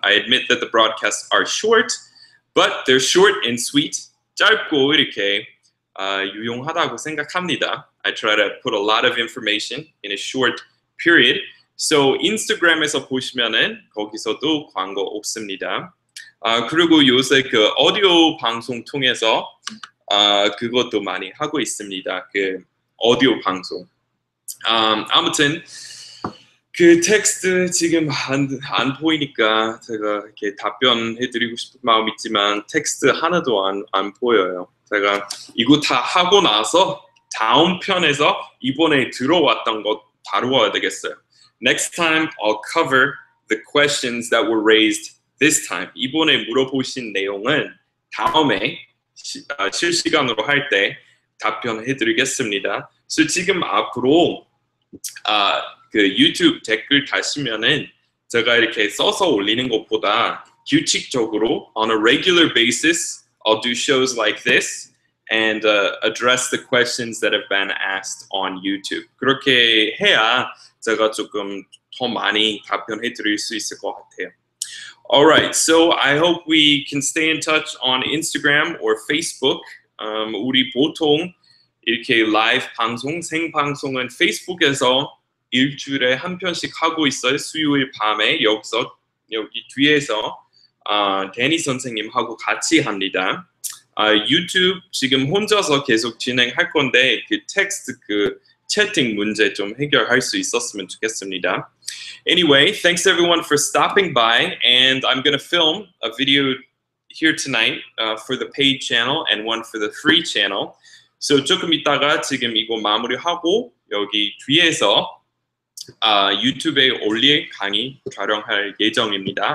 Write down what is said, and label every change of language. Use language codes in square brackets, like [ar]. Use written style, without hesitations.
[en] I admit that the broadcasts are short, but they're short and sweet. [ko] 짧고 이렇게 유용하다고 생각합니다. [en] I try to put a lot of information in a short period. [ko] So 인스타그램에서 보시면은 거기서도 광고 없습니다. 그리고 요새 그 오디오 방송 통해서 그것도 많이 하고 있습니다. 그 오디오 방송. 아무튼 그 텍스트 지금 안 보이니까 제가 이렇게 답변해드리고 싶은 마음 있지만 텍스트 하나도 안 보여요. 제가 이거 다 하고 나서 다음 편에서 이번에 들어왔던 것 다루어야 되겠어요. [en] Next time I'll cover the questions that were raised this time. [ko] 이번에 물어보신 내용은 다음에 실시간으로 할 때 답변해드리겠습니다. 그래서 지금 앞으로 그 유튜브 댓글 다시면은 제가 이렇게 써서 올리는 것보다 규칙적으로 [en] on a regular basis I'll do shows like this and address the questions that have been asked on YouTube. [ko] 그렇게 해야 제가 조금 더 많이 답변해 드릴 수 있을 것 같아요. [en] All right, so I hope we can stay in touch on Instagram or Facebook. [ko] 우리 보통 이렇게 라이브 방송, 생방송은 페이스북에서 일주일에 한 편씩 하고 있어요. 수요일 밤에 여기서 여기 뒤에서 데니 선생님하고 같이 합니다. 유튜브 지금 혼자서 계속 진행할 건데 그 텍스트 그 채팅 문제 좀 해결할 수 있었으면 좋겠습니다. [en] Anyway, thanks everyone for stopping by and I'm going to film a video here tonight for the paid channel and one for the free channel. [ko] So 조금 이따가 지금 이거 마무리하고 여기 뒤에서 YouTube에 올릴 강의 촬영할 예정입니다.